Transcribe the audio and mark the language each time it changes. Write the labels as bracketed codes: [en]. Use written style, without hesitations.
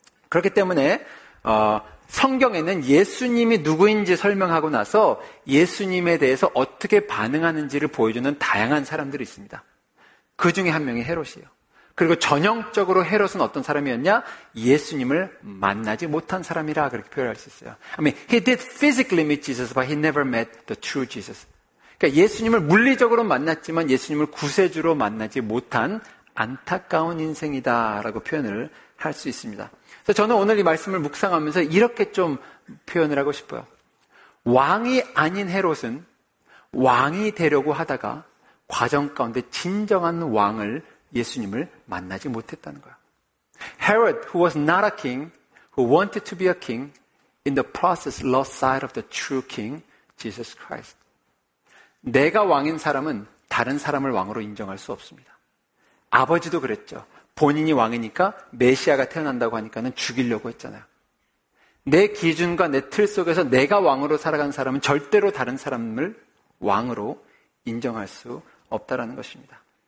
[ko] 그렇기 때문에 성경에는 예수님이 누구인지 설명하고 나서 예수님에 대해서 어떻게 반응하는지를 보여주는 다양한 사람들이 있습니다. 그 중에 한 명이 헤롯이에요. 그리고 전형적으로 헤롯은 어떤 사람이었냐? 예수님을 만나지 못한 사람이라 그렇게 표현할 수 있어요. [en] I mean, he did physically meet Jesus, but he never met the true Jesus. [ko] 그러니까 예수님을 물리적으로 만났지만 예수님을 구세주로 만나지 못한 안타까운 인생이다라고 표현을 할 수 있습니다. 그래서 저는 오늘 이 말씀을 묵상하면서 이렇게 좀 표현을 하고 싶어요. 왕이 아닌 헤롯은 왕이 되려고 하다가 과정 가운데 진정한 왕을 예수님을 만나지 못했다는 거야. [en] Herod, who was not a king, who wanted to be a king, in the process lost sight of the true king, Jesus Christ. [ko] 내가 왕인 사람은 다른 사람을 왕으로 인정할 수 없습니다. 아버지도 그랬죠. 본인이 왕이니까 메시아가 태어난다고 하니까는 죽이려고 했잖아요. 내 기준과 내 틀 속에서 내가 왕으로 살아간 사람은 절대로 다른 사람을 왕으로 인정할 수 없다라는 것입니다.